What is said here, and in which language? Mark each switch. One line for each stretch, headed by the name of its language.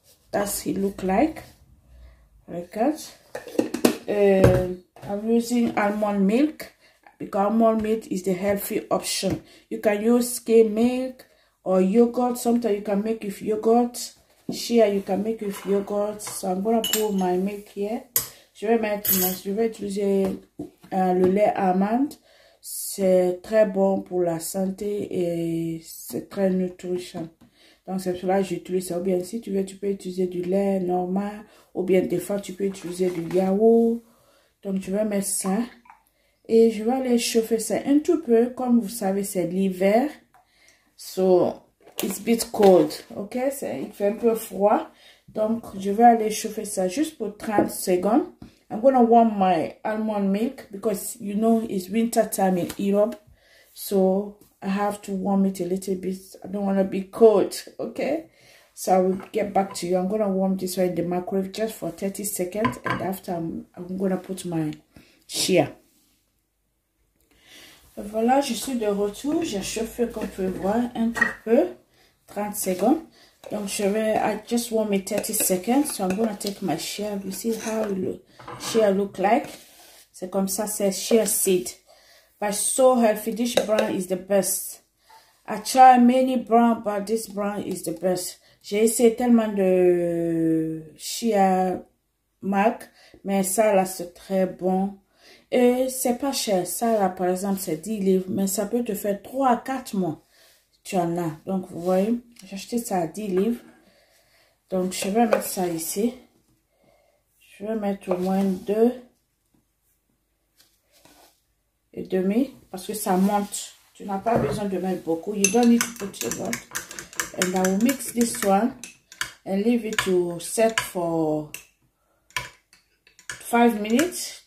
English: That's it look like. Right, guys. I'm using almond milk. Because almond milk is the healthy option. You can use skim milk or yogurt. Sometimes you can make with yogurt. Chia, you can make with yogurt. So I'm going to put my milk here.
French: Je vais utiliser le lait amande. C'est très bon pour la santé et c'est très nutritionnel. Donc c'est cela que j'utilise. Ou bien si tu veux, tu peux utiliser du lait normal. Ou bien des fois, tu peux utiliser du yaourt. Donc je vais mettre ça. Et je vais aller chauffer ça un tout peu. Comme vous savez, c'est l'hiver.
English: So, it's a bit cold. Ok?
French: Il fait un peu froid. Donc, je vais aller chauffer ça juste pour 30 secondes.
English: I'm going to warm my almond milk. Because, you know, it's winter time in Europe. So, I have to warm it a little bit. I don't want to be cold. Ok? So, I will get back to you. I'm going to warm this one in the microwave just for 30 seconds. And after, I'm going to put my chia.
French: Voilà, je suis de retour. J'ai chauffé, comme vous pouvez voir, un tout peu. 30 secondes. Donc, je vais.
English: I just want my 30 seconds. So, I'm going to take my chia. You see how the chia look like.
French: C'est comme ça, c'est chia seed.
English: But so healthy. This brand is the best. I try many brands, but this brand is the best.
French: J'ai essayé tellement de chia marque, mais ça, là, c'est très bon. Et c'est pas cher, ça là par exemple c'est 10 livres, mais ça peut te faire 3 à 4 mois. Tu en as, donc vous voyez, j'ai acheté ça à 10 livres. Donc je vais mettre ça ici. Je vais mettre au moins 2 et demi parce que ça monte. Tu n'as pas besoin de mettre beaucoup.
English: You don't need to put a lot. And I will mix this one and leave it to set for 5 minutes.